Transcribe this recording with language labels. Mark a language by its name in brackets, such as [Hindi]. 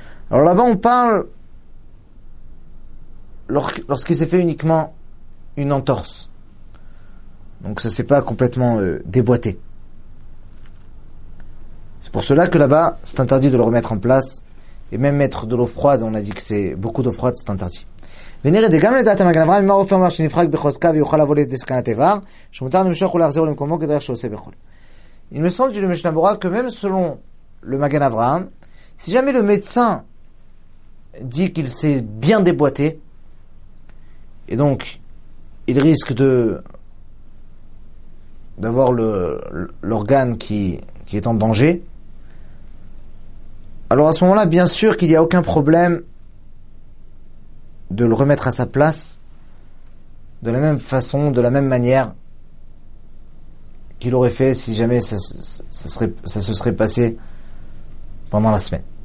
[French] Alors là-bas, on parle lorsqu'il s'est fait uniquement une entorse. Donc ça s'est pas complètement déboîté. C'est pour cela que là-bas, c'est interdit de le remettre en place. Et même mettre de l'eau froide, on a dit que c'est beaucoup d'eau froide, c'est interdit. [Hebrew] ונראה דגם לדעת המגן אברהם אם הרופא אומר שנפרק בחוזקה ויוכל לבוא לידי סכנת איבר שמותר למשוך ולהחזיר למקומו כדרך שעושה בחול. [French] Il me semble que le Mishnah Bora, que même selon le Magan Avraham, si jamais le médecin dit qu'il s'est bien déboîté, et donc il risque d'avoir l'organe qui est en danger, alors à ce moment-là, bien sûr qu'il n'y a aucun problème de le remettre à sa place de la même façon, de la même manière qu'il aurait fait si jamais ça se serait passé pendant la semaine.